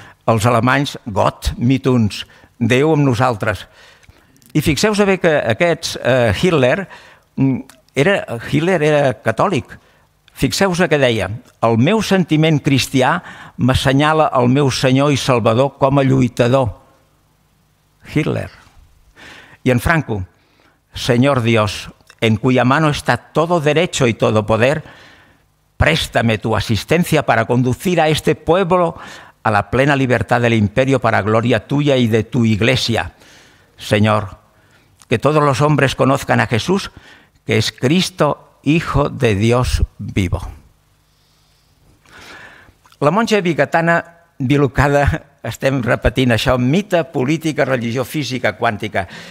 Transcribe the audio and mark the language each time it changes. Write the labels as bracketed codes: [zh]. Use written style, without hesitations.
[ca] Els alemanys, [de] got, mit uns, [ca] Déu amb nosaltres. I fixeu-vos bé que aquests, Hitler era catòlic. Fixeu-vos que deia, el meu sentiment cristià m'assenyala el meu senyor i salvador com a lluitador. Hitler. I en [es] Franco, Señor Dios, en cuya mano está todo derecho y todo poder, préstame tu asistencia para conducir a este pueblo a la plena libertad del imperio para gloria tuya y de tu iglesia. Señor, que todos los hombres conozcan a Jesús, que es Cristo, Hijo de Dios vivo. [ca] La monja vigatana bilocada, estem repetint això, Mite, Política, Religió, Física, Quàntica.